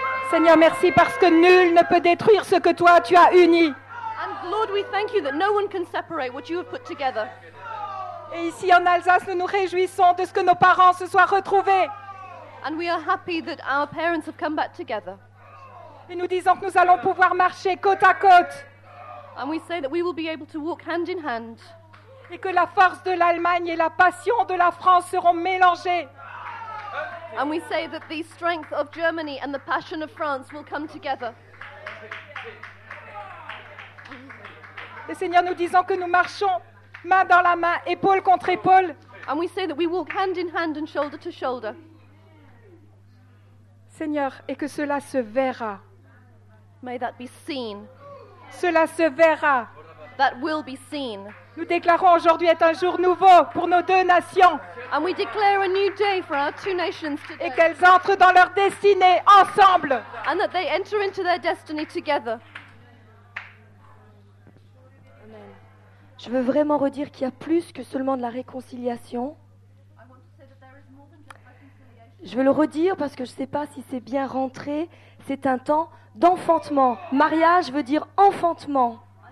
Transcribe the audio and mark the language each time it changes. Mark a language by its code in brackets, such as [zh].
[fr] Seigneur, merci parce que nul ne peut détruire ce que toi tu as uni. [en] And Lord, we thank you that no one can separate what you have put together. [fr] Et ici en Alsace, nous nous réjouissons de ce que nos parents se soient retrouvés. [en] And we are happy that our parents have come back together. [fr] Et nous disons que nous allons pouvoir marcher côte à côte. [en] And we say that we will be able to walk hand in hand. [fr] Et que la force de l'Allemagne et la passion de la France seront mélangées. [en] And we say that the strength of Germany and the passion of France will come together. [fr] Et Seigneur, nous disons que nous marchons main dans la main, épaule contre épaule. [en] And we say that we walk hand in hand and shoulder to shoulder. [fr] Seigneur, et que cela se verra. [en] May that be seen. [fr] Cela se verra. [en] That will be seen. [fr] Nous déclarons aujourd'hui être un jour nouveau pour nos deux nations. [en] And we declare a new day for our two nations today. [fr] Et qu'elles entrent dans leur destinée ensemble. [en] And that they enter into their destiny together. [fr] Amen. Je veux vraiment redire qu'il y a plus que seulement de la réconciliation. Je veux le redire parce que je ne sais pas si c'est bien rentré. C'est un temps d'enfantement. Mariage veut dire enfantement.